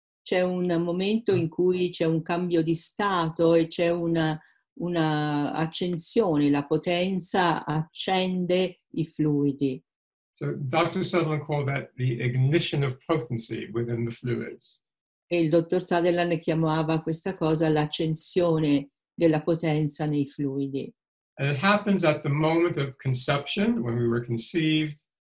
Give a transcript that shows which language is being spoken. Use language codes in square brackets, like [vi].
[it] C'è un momento in cui c'è un cambio di stato e c'è una una accensione, la potenza accende i fluidi. [en] So Dr. Sutherland called that the ignition of potency within the fluids. [it] E il dottor Sutherland chiamava questa cosa l'accensione della potenza nei fluidi. [en] And it happens at the moment of conception, when we were conceived.